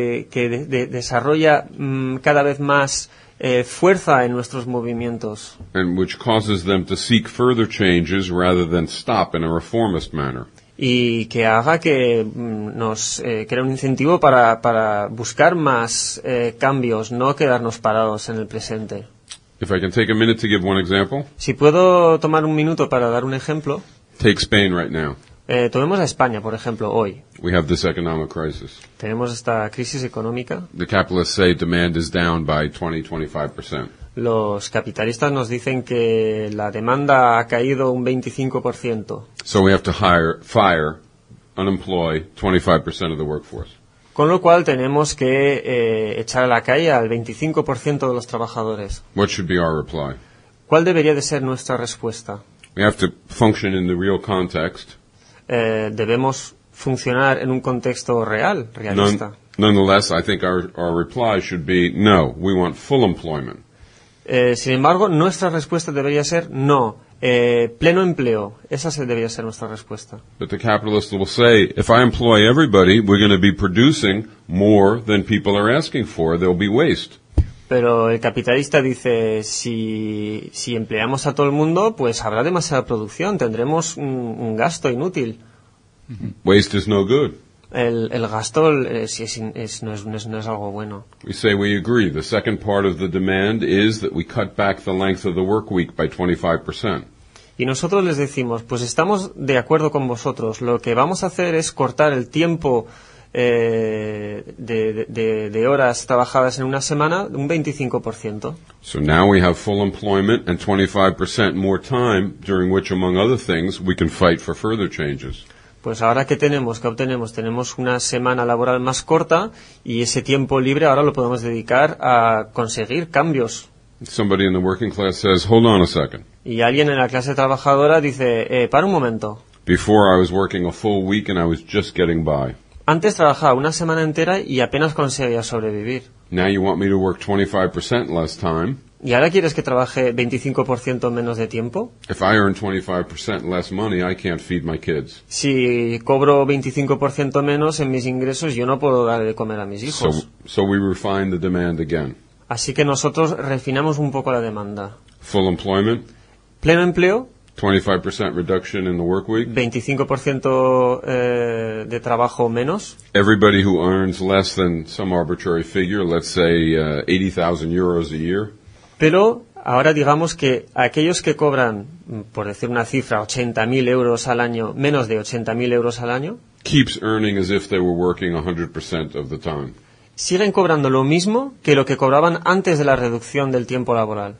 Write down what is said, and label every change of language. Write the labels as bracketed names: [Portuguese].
[Spanish] Que desarrolla cada vez más fuerza en nuestros movimientos. [English] And which causes them to seek further changes rather than stop in a reformist manner. [Spanish] Y que haga que nos crea un incentivo para buscar más cambios, no quedarnos parados en el presente. [English] If I can take a minute to give one example. [Spanish] Si puedo tomar un minuto para dar un ejemplo. [English] Take Spain right now. [Spanish] Tomemos a España, por ejemplo, hoy. [English] We have this economic crisis. [Spanish] Tenemos esta crisis económica. [English] The capitalists say demand is down by 20-25%. [Spanish] Los capitalistas nos dicen que la demanda ha caído un 25%. [English] So we have to fire, unemploy 25% of the workforce. [Spanish] Con lo cual tenemos que echar a la calle al 25% de los trabajadores. [English] What should be our reply? [Spanish] ¿Cuál debería de ser nuestra respuesta? [English] We have to function in the real context. [Spanish] Debemos funcionar en un contexto real, realista. [English] Nonetheless, I think our reply should be no, we want full employment. [Spanish] Sin embargo, nuestra respuesta debería ser no, pleno empleo. Esa debería ser nuestra respuesta. [English] But the capitalist will say, if I employ everybody, we're going to be producing more than people are asking for. There'll be waste. [Spanish] Pero el capitalista dice, si empleamos a todo el mundo, pues habrá demasiada producción, tendremos un gasto inútil. [English] Waste is no good. [Spanish] El gasto no es algo bueno. [English] We say we agree. The second part of the demand is that we cut back the length of the work week by 25%. [Spanish] Y nosotros les decimos, pues estamos de acuerdo con vosotros. Lo que vamos a hacer es cortar el tiempo de horas trabajadas en una semana un 25%. [English] So now we have full employment and 25% more time during which, among other things, we can fight for further changes. [Spanish] Pues ahora ¿qué obtenemos? Tenemos una semana laboral más corta y ese tiempo libre ahora lo podemos dedicar a conseguir cambios. [English] Somebody in the working class says, hold on a second. [Spanish] Y alguien en la clase trabajadora dice, para un momento. [English] Before I was working a full week and I was just getting by. [Spanish] Antes trabajaba una semana entera y apenas conseguía sobrevivir. [English] Now you want me to work 25% less time. [Spanish] ¿Y ahora quieres que trabaje 25% menos de tiempo? [English] If I earn 25% less money, I can't feed my kids. [Spanish] Si cobro 25% menos en mis ingresos, yo no puedo dar de comer a mis hijos. [English] So we refine the demand again. [Spanish] Así que nosotros refinamos un poco la demanda. [English] Full employment. [Spanish] Pleno empleo. [English] 25% reduction in the work week. [Spanish] 25% de trabajo menos. [English] Everybody who earns less than some arbitrary figure, let's say 80,000 euros a year. [Spanish] Pero ahora digamos que aquellos que cobran, por decir una cifra, 80.000 euros al año, menos de 80.000 euros al año, [English] keeps earning as if they were working 100% of the time. [Spanish] Siguen cobrando lo mismo que lo que cobraban antes de la reducción del tiempo laboral.